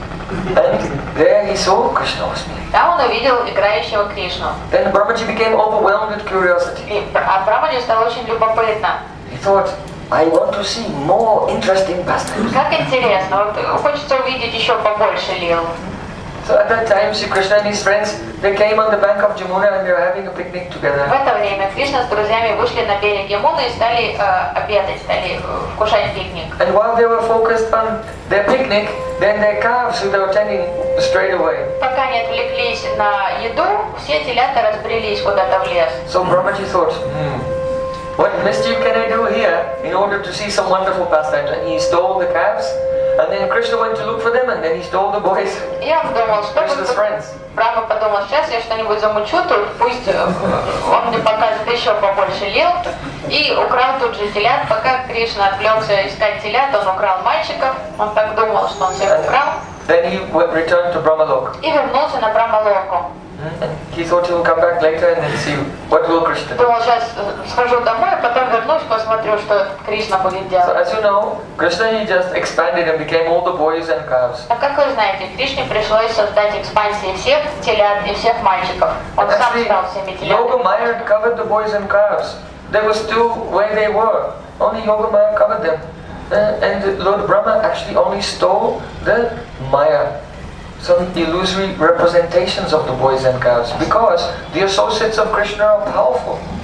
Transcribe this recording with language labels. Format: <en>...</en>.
<en>And there he saw Krishna was playing.</en> <ru>Там он увидел играющего Кришну.</ru> <en>Then Brahmaji became overwhelmed with curiosity.</en> <ru>А Брамаджи стало очень любопытно.</ru> <en>He thought, I want to see more interesting pastimes.</en> <ru>Как интересно, хочется увидеть еще побольше лил.</ru> <en>So at that time, Sri Krishna and his friends, they came on the bank of Jamuna and they were having a picnic together.</en> <ru>В это время Кришна с друзьями вышли на берег Ямуны и стали обедать, стали кушать пикник.</ru> <en>And while they were focused on their picnic, then their calves, they were tending straight away.</en> <ru>Пока они отвлеклись на еду, все телята разбрелись куда-то в лес.</ru> <en>So Brahmaji thought, what mischief can I do here in order to see some wonderful pastimes? And he stole the calves And then Krishna went to look for them, and then he stole the boys. Krishna's friends.</en> <ru>Брахма подумал, сейчас я что-нибудь замучу, только пусть он мне покажет еще побольше лил. И украл тут же телят, пока Кришна отвлекся искать телят, он украл мальчиков. Он так думал, что он всех украл.</ru> <en>Then he went, returned to Brahmalok.</en> <ru>И вернулся на Брахмалоку.</ru> <en>He thought he will come back later and then see what will Krishna do.</en> <ru>Думал, сейчас схожу домой, а потом вернусь, посмотрю, что Кришна будет делать.</ru> <en>So as you know, Krishna he just expanded and became all the boys and calves.</en> <ru>А как вы знаете, Кришне пришлось создать экспансии всех телят и всех мальчиков. Он сам стал всеми телятами.</ru> <en>Yoga Maya had covered the boys and calves. They were still where they were. Only Yoga Maya covered them. And Lord Brahma actually only stole the Maya. Some illusory representations of the boys and calves, because the associates of Krishna are powerful.</en>